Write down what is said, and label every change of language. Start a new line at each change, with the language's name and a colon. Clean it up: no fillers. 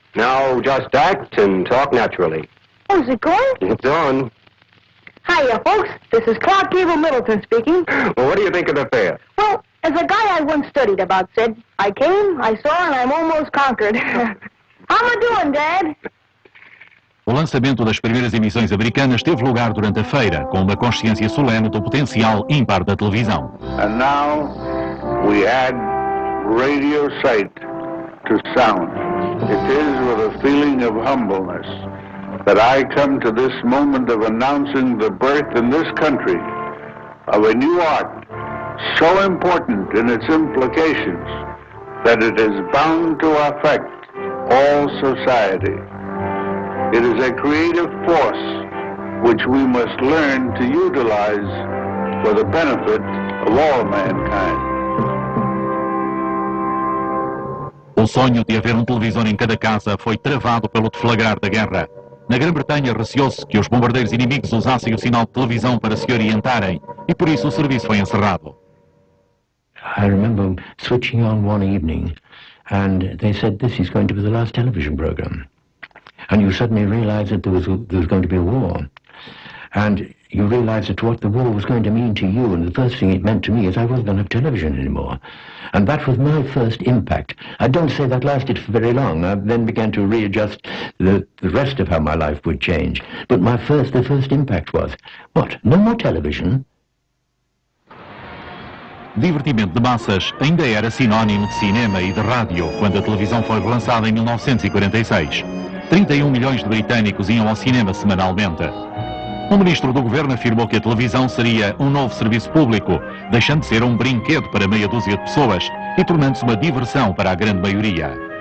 English: Now, just act and talk naturally. Oh, is it going? It's on. Hiya, folks. This is Clark Gable Middleton speaking. Well, what do you think of the fair? Well, as a guy I once studied about said, I came, I saw, and I'm almost conquered. How am I doing, Dad?
Portuguese: O lançamento das primeiras emissões americanas teve lugar durante a feira, com uma consciência solene do potencial ímpar da televisão.
English: And now we add radio sight to sound. It is with a feeling of humbleness that I come to this moment of announcing the birth in this country of a new art so important in its implications that it is bound to affect all society. It is a creative force which we must learn to utilize for the benefit of all mankind.
Portuguese: O sonho de haver um televisor em cada casa foi travado pelo deflagrar da guerra. Na Grã-Bretanha, receou-se que os bombardeiros inimigos usassem o sinal de televisão para se orientarem, e por isso o serviço foi encerrado.
English: I remember switching on one evening, and they said this is going to be the last television program. And you suddenly realize that there was going to be a war. And you realize that what the war was going to mean to you, and the first thing it meant to me is I wasn't going to have television anymore. And that was my first impact. I don't say that lasted for very long. I then began to readjust the rest of how my life would change. But the first impact was, what, no more television?
Portuguese: Divertimento de massas ainda era sinónimo de cinema e de rádio quando a televisão foi lançada em 1946. 31 milhões de britânicos iam ao cinema semanalmente. O ministro do governo afirmou que a televisão seria um novo serviço público, deixando de ser um brinquedo para meia dúzia de pessoas e tornando-se uma diversão para a grande maioria.